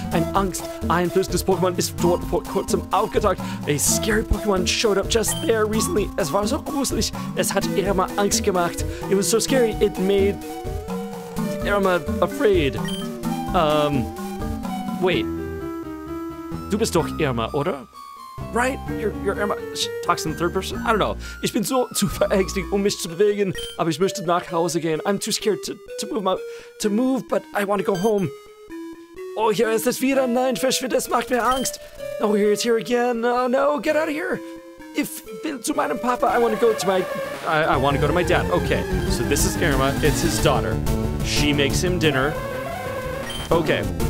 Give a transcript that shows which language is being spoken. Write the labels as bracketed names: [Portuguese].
[German] Ein angsteinflößendes Pokémon ist dort vor kurzem aufgetaucht. [English] A scary Pokémon showed up just there recently. [German] Es war so gruselig. Es hat Emma Angst gemacht. [English] It was so scary, it made Emma afraid. Wait. [German] Du bist doch Emma, oder? [English] Right? You're Emma. Talks in the third person? I don't know. [German] Ich bin so zu verängstigt, um mich zu bewegen, aber ich möchte nach Hause gehen. [English] I'm too scared to move, but I want to go home. [German] Oh, hier ist es wieder. Nein, verschwinde, es macht mir Angst. [English] Oh, here it's here again. Oh, no, get out of here. [German] Ich will zu meinem Papa. [English] I want to go to my dad. Okay, so this is Emma. It's his daughter. She makes him dinner. Okay.